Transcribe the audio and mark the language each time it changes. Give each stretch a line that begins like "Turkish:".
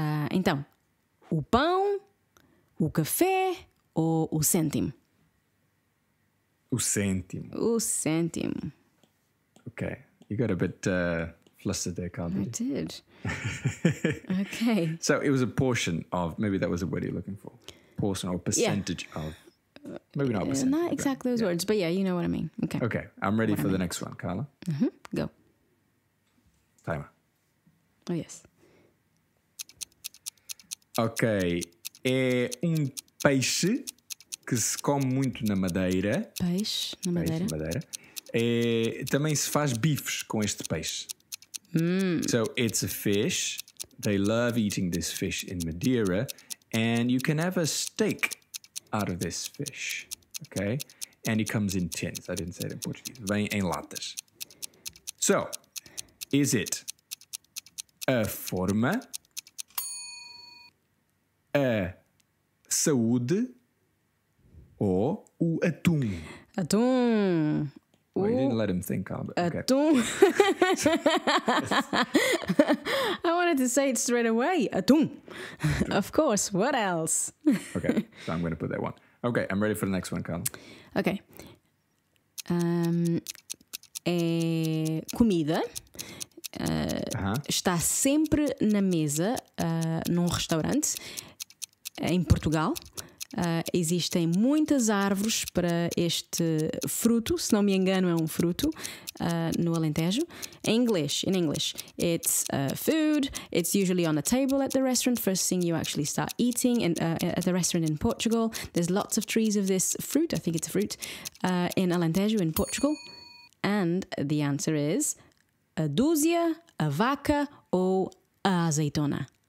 Portuguese: Então, o pão, o café ou o cêntimo? O cêntimo. O cêntimo.
English: Okay, you got a bit flustered there, Carla. I did. Okay. So it was a portion of, maybe that was a word you're looking for, portion or percentage yeah. of. Maybe not percent. Not exactly those yeah. words, but yeah, you know what I mean. Okay. Okay, I'm ready for the next one, Carla. Mm-hmm. Go. Timer. Oh, yes. Okay.
Portuguese: É peixe que se come muito na Madeira. Peixe na Madeira. Peixe na Madeira. É, também se faz bifes com este peixe.
English: So it's a fish. They love eating this fish in Madeira. And you can have a steak out of this fish. Okay? And it comes in tins. I didn't say it in Portuguese.
Portuguese: Vem em latas.
English: So, is it
Portuguese: a forma, a saúde ou o atum? Atum.
English: Well, you didn't let him think, Carl, but okay. Atum. I wanted to say it straight away. Atum. Of course. What else? Okay. So I'm going to put that one. Okay. I'm ready for the next one, Carl. Okay.
Portuguese: É comida. Está sempre na mesa num restaurante em Portugal. Existem muitas árvores para este fruto, se não me engano é um fruto, no Alentejo. Em inglês,
English: in English, it's food, it's usually on a table at the restaurant, first thing you actually start eating in, at the restaurant in Portugal. There's lots of trees of this fruit, I think it's a fruit, in Alentejo, in Portugal. And the answer is
Portuguese: a dúzia, a vaca ou a azeitona?